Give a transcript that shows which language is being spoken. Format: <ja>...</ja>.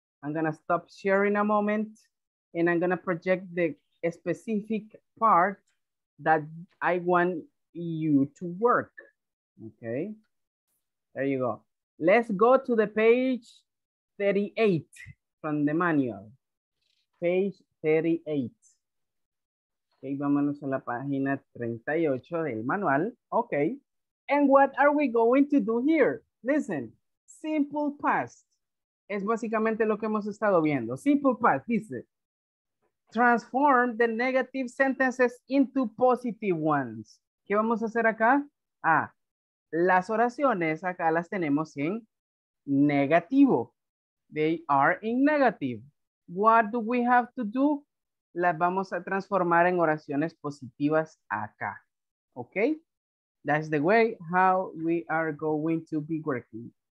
<en>I'm gonna stop sharing a moment and I'm gonna project the specific part that I want you to work, okay? There you go. Let's go to the page 38 from the manual. Page 38.</en> <es>Okay, vámonos a la página 38 del manual, okay.</es> <en>And what are we going to do here? Listen, simple past.</en> <es>Es básicamente lo que hemos estado viendo.</es> <en>Simple past, dice. Transform the negative sentences into positive ones.</en> <es>¿Qué vamos a hacer acá? Ah, las oraciones acá las tenemos en negativo.</es> <en>They are in negative. What do we have to do?</en> <es>Las vamos a transformar en oraciones positivas acá. ¿Ok?</es> <en>That's the way how we are going to be working.</en>